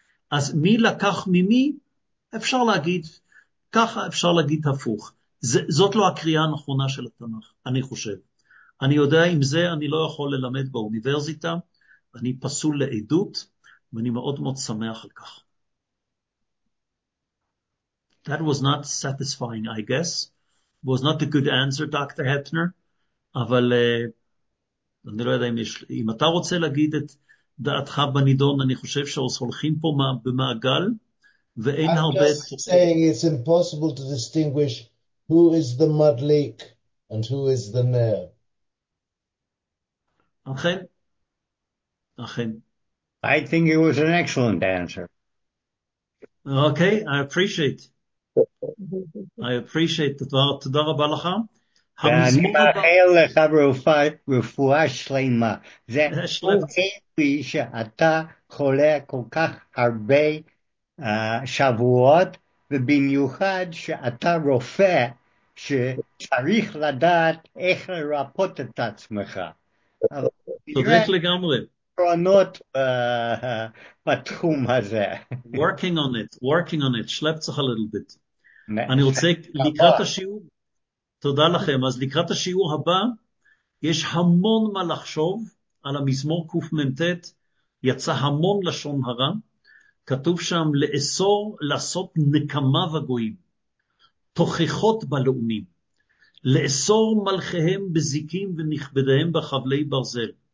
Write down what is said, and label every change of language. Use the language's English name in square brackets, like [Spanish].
[Hebrew] אז מי לקח ממי? אפשר להגיד, ככה אפשר להגיד הפוך. זאת לא הקריאה הנכונה של התנ"ך, אני חושב. אני יודע, עם זה אני לא יכול ללמד באוניברסיטה, אני פסול לעדות, ואני מאוד מאוד שמח על כך. [English] That was not satisfying, I guess. Was not a good answer, Dr. Heppner. [Hebrew] אבל אני לא יודע אם אתה רוצה להגיד את דעתך בנידון, אני חושב שהולכים פה במעגל, [English] I'm just saying it's impossible to distinguish who is the madlik and who is the ner. [Hebrew] אכן, אכן. [English] I think it was an excellent answer. Okay, I appreciate it. I appreciate the dvar. [Hebrew] Tada rabba lacha. Ani ma'achel lecha refuah shleima. Ze okay she'ata chole kol kach harbe shavuot v'binyuchad she'ata rofe שצריך לדעת איך לרפות את עצמך. צודק לגמרי. פרונות בתחום הזה. [English] Working on it, working on it. [Hebrew] שלב צריך [English] a little bit. [Hebrew] אני רוצה לקראת השיעור. תודה לכם. אז לקראת השיעור הבא, יש המון מה לחשוב על המזמור קוף מנטט. יצא המון לשון הרע. כתוב שם לאסור לעשות נקמה וגויים. תוכחות בלאומים, לאסור מלכיהם בזיקים ונכבדיהם בחבלי ברזל.